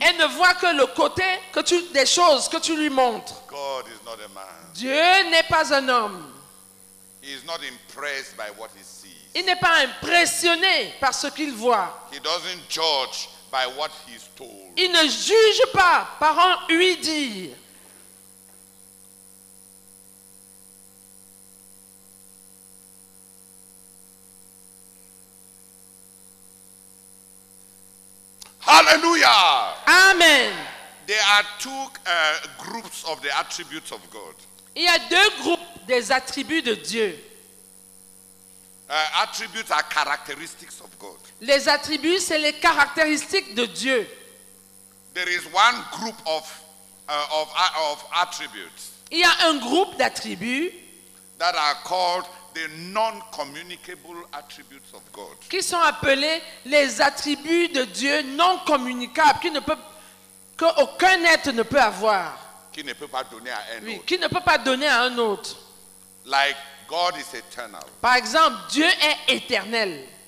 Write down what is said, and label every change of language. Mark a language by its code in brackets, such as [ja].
[fr] Elle ne voit que le côté que tu, des choses que tu lui montres. [en] God is not a man. [fr] Dieu n'est pas un homme. [en] He is not impressed by what he sees. [fr] Il n'est pas impressionné par ce qu'il voit. [en] He doesn't judge by what he's told. [fr] Il ne juge pas par un lui dire. Hallelujah. Amen. [en] There are two groups of the attributes of God. [fr] Il y a deux groupes des attributs de Dieu. [en] Attributes are characteristics of God. [fr] Les attributs, c'est les caractéristiques de Dieu. [en] There is one group of attributes. [fr] Il y a un groupe d'attributs [en] that are called the non-communicable attributes of God. [fr] Qui sont appelés les attributs de Dieu non communicables, qui ne peuvent que aucun être ne peut avoir. Qui ne peut pas donner à un autre. Oui, qui ne peut pas donner à un autre. [en] Like God is eternal. [fr] Par exemple, Dieu est éternel.